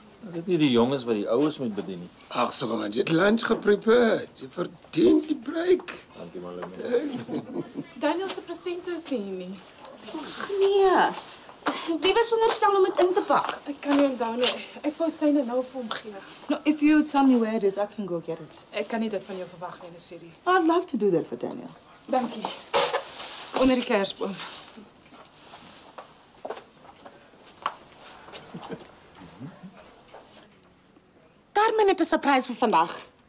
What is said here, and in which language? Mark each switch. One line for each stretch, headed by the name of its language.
Afrikaans: Is dit nie die jonges wat die oues moet bedien nie? Ag, so gaan dit lunch geprepareer. Jy verdien die break. Dankie man, Lumi. Daniel se presente is nie hier nie. Ag nee. Wie was veronderstel om dit in te pak? Ek kan nie onthou nie. Ek wou syne nou vir hom gee.
English: No, if you tell me where it is, I can go get it.
Afrikaans: Ek kan nie dit van jou verwag nie, Nesiri.
English: I'd love to do that for Daniel.
Afrikaans: Dankie. Onder die kersboom. Carmen het 'n surprise vir vandag.